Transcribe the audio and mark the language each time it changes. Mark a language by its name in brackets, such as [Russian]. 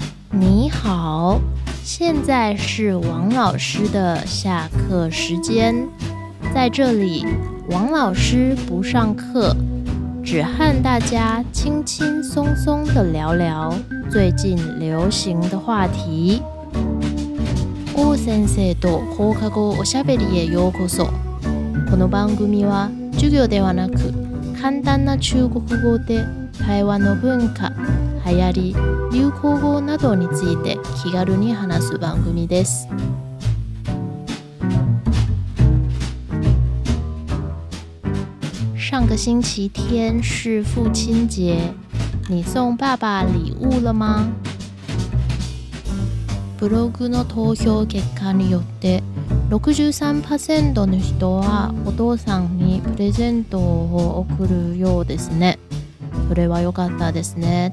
[Chinese] 你好，现在是王老师的下课时间。在这里，王老师不上课，只和大家轻轻松松的聊聊最近流行的话题。 [Japanese] お先生と放課後おしゃべりへようこそ。この番組は授業ではなく簡単な中国語で台湾の文化、流行り、流行語などについて気軽に話す番組です。 [Chinese] 上个星期天是父亲节，你送爸爸礼物了吗？ [Japanese] ブログの投票結果によって 63% の人はお父さんにプレゼントを送るようですね。それは良かったですね。